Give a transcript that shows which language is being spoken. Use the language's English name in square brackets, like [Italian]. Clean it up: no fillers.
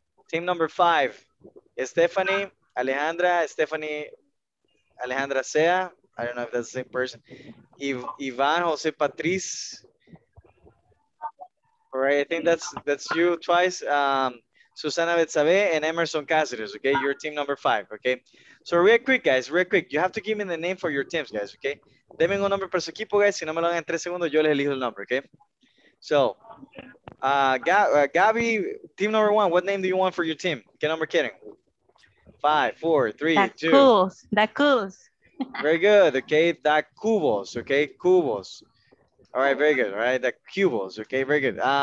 [English] Team number five, Stephanie, Alejandra Sea, I don't know if that's the same person, Ivan, Jose, Patrice. All right, I think that's you twice. Susana Betzabe and Emerson Cáceres, okay? Your team number five, okay? So real quick, guys, real quick. You have to give me the name for your teams, guys, okay? [Spanish] Deme un nombre para su equipo, guys. Si no me lo dan en tres segundos, yo les elijo el nombre, okay? [English] So, Gabby, team number one, what name do you want for your team? [Spanish] ¿Qué nombre quieren? 5, 4, 3, 2. [English] Cubos. The Cubos. Very good, okay? The Cubos, okay? Cubos. All right, very good, all right? The Cubos, okay? Very good.